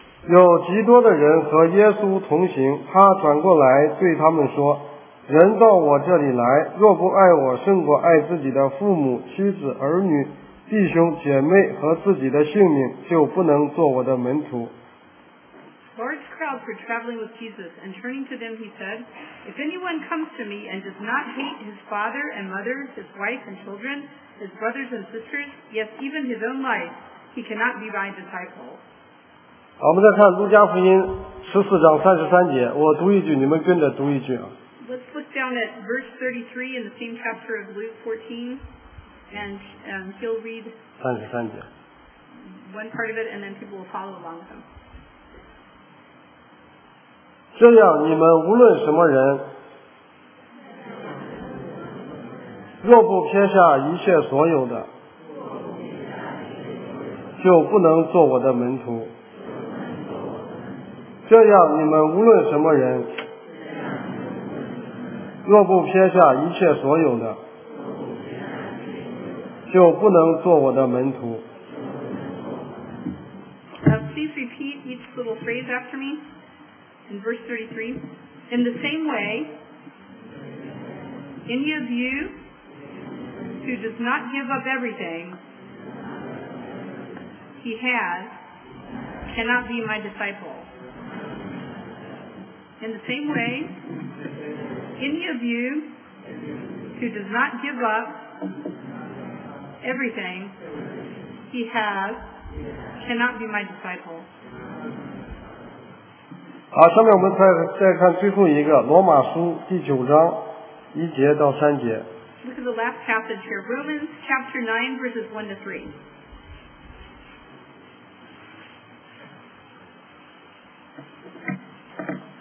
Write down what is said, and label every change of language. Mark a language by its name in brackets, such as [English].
[Chinese] 有极多的人和耶稣同行，他转过来对他们说，人到我这里来，若不爱我胜过爱自己的父母、妻子、儿女、弟兄、姐妹和自己的性命，就不能做我的门徒。 [English] Large crowds were traveling with Jesus, and turning to them he said, if anyone comes to me and does not hate his father and mother, his wife and children, his brothers and sisters, yes, even his own life, he cannot be my disciple. [Chinese] 好，我们再看路加福音十四章三十三节，我读一句，你们跟着读一句啊。 [English] Let's look down at verse 33 in the same chapter of Luke 14, and he'll read [Chinese] 三十三节 [English] one part of it, and then people will follow along with him. [Chinese] 这样你们无论什么人若不撇下一切所有的，就不能做我的门徒。这样你们无论什么人若不撇下一切所有的，就不能做我的门徒。 [English] Please repeat each little phrase after me. In verse 33, in the same way, any of you who does not give up everything he has cannot be my disciple. In the same way, any of you who does not give up everything he has cannot be my disciple. [Chinese] 好，下面我们再看最后一个，罗马书第九章一节到三节。 [English] Look at the last passage here, Romans chapter 9, verses 1 to 3.